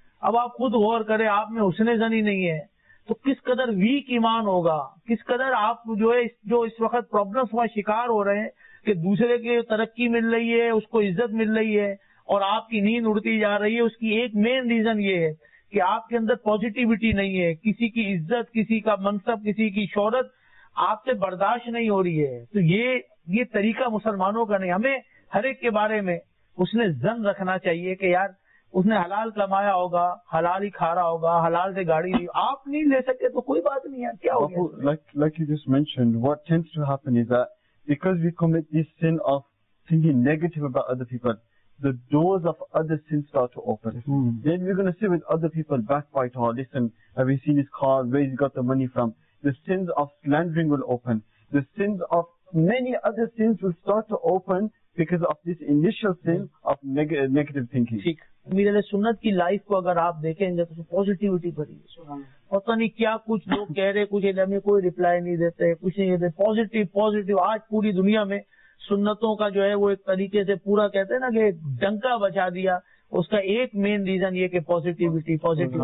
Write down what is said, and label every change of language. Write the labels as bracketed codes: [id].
[hi] अब आप खुद गौर करें, आप में हुस्न ज़न ही नहीं है तो किस कदर वीक ईमान होगा, किस कदर आप जो है जो इस वक्त प्रॉब्लम का शिकार हो रहे हैं कि दूसरे की तरक्की मिल रही है, उसको इज्जत मिल रही है और आपकी नींद उड़ती जा रही है, उसकी एक मेन रीजन ये है कि आपके अंदर पॉजिटिविटी नहीं है, किसी की इज्जत, किसी का मनसब, किसी की शोहरत आपसे बर्दाश्त नहीं हो रही है। तो ये तरीका मुसलमानों का नहीं, हमें हर एक के बारे में उसने जन रखना चाहिए कि यार उसने हलाल कमाया होगा, हलाल ही खा रहा होगा, हलाल से गाड़ी ली, आप नहीं ले सकते तो कोई बात नहीं है, क्या होगा। [en] Like you just mentioned, what tends to happen is that because we commit this sin of thinking negative about other people, the doors of other sins start to open. Then we're going to sit with other people, backbite, or listen, have you seen his car, where he got the money from? The sins of slandering will open. The sins of many other sins will start to open because of this initial sin of negative thinking. [hi] ठीक, मेरे लिए सुन्नत की life को अगर आप देखेंगे तो पॉजिटिविटी भरी है। पता नहीं क्या कुछ लोग कह रहे, कुछ हमें कोई रिप्लाई नहीं देते, कुछ नहीं देते, पॉजिटिव पॉजिटिव। आज पूरी दुनिया में सुन्नतों का जो है वो एक तरीके से पूरा कहते हैं ना कि डंका बचा दिया, उसका एक मेन रीजन ये कि पॉजिटिविटी पॉजिटिव।